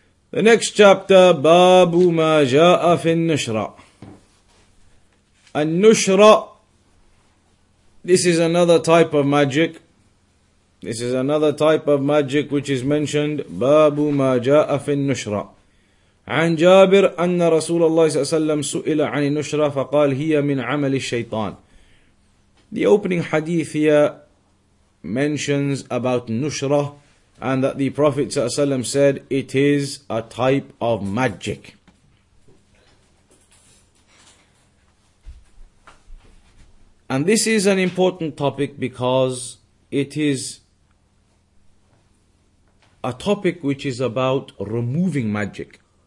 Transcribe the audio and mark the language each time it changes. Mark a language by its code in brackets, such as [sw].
[en] The next chapter, [ar] Babu ma ja'a fi an-nushra. [en] An-nushra, this is another type of magic. This is another type of magic which is mentioned, [ar] Babu ma ja'a fi an-nushra. عن جابر أن رسول الله صلى الله عليه وسلم سئل عن النشرة فقال هي من عمل الشيطان. [en] The opening hadith here mentions about Nushra and that the Prophet [ar] صلى الله عليه وسلم [en] said it is a type of magic. And this is an important topic because it is a topic which is about removing magic.